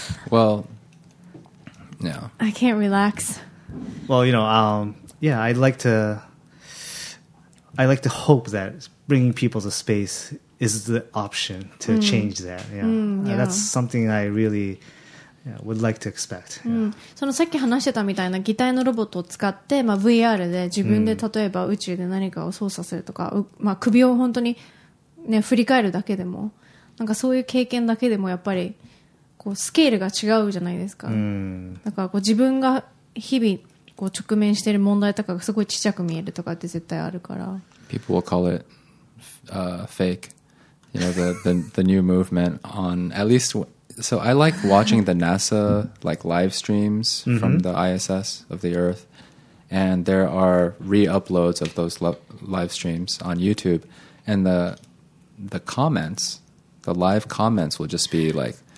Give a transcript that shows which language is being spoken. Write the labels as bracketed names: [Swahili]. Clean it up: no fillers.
[English] Well... No. I can't relax. Well, you know, I'd like to hope that bringing people to space is the option to change that. Yeah. That's something I really would like to expect. Yeah. [Japanese] そのさっき話してたみたいな擬態のロボットを使って、まあ、VR で自分で例えば宇宙で何かを操作するとか、まあ、首を本当に、ね、振り返るだけでも、なんかそういう経験だけでもやっぱりこうスケールが違うじゃないですか。だからこう自分が日々こう直面している問題とかがすごいちっちゃく見えるとかって絶対あるから。 [English] People will call it fake. You know the new movement on at least. So I like watching the NASA like live streams from the ISS of the Earth, and there are re-uploads of those live streams on YouTube, and the comments, the live comments will just be like.